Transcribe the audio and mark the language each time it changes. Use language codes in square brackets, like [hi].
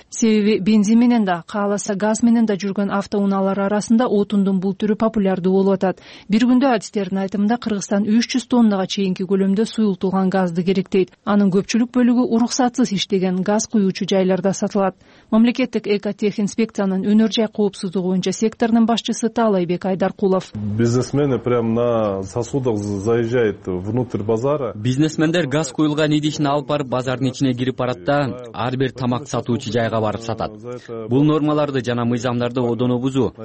[ky] Себеби бензин менен да, кааласа газ менен да жүргөн автоунаалар арасында отундун бул түрү популярдуу болуп атат. Бир күндө адистердин айтымында Кыргызстан 300 тоннага чейинки көлөмдө суюлтулган газды керектейт. Анын көпчүлүк бөлүгү уруксатсыз иштеген газ куюучу жайларда сатылат. Мамлекеттик экотех инспекциянын өнөр жай коопсуздугу боюнча сектордун башчысы Таалайбек Айдаркулов. [ru] Бизнесмены прямо на сосудах заезжают внутрь базара. [ky] Бизнесмендер газ куюлган иди алып барып базардын ичине кирип барат да ар бир тамак сатуучу жайга барып сатат. Бул нормаларды жана мыйзамдарды одоно бузуу.